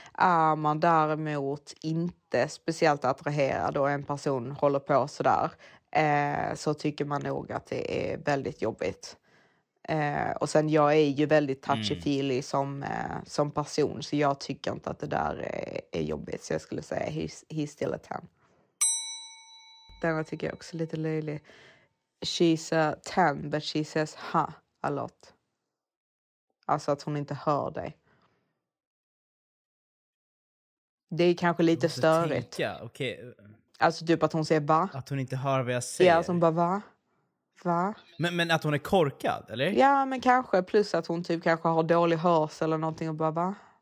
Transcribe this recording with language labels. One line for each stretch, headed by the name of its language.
Swedish: Är man däremot inte speciellt attraherad och en person håller på så där, så tycker man nog att det är väldigt jobbigt. Och sen jag är ju väldigt touchy-feely som person, så jag tycker inte att det där är jobbigt, så jag skulle säga
English: he's still a 10.
Swedish: Denna tycker jag också är lite löjlig.
English: She's a 10 but she says ha a lot.
Swedish: Alltså att hon inte hör dig. Det är kanske lite störigt. Okay. Alltså typ att hon säger va? Att hon inte hör vad jag säger. Ja, alltså hon bara va? Va? Men att hon är korkad, eller? Ja, men kanske. Plus att hon typ kanske har dålig hörsel eller någonting och bara, va?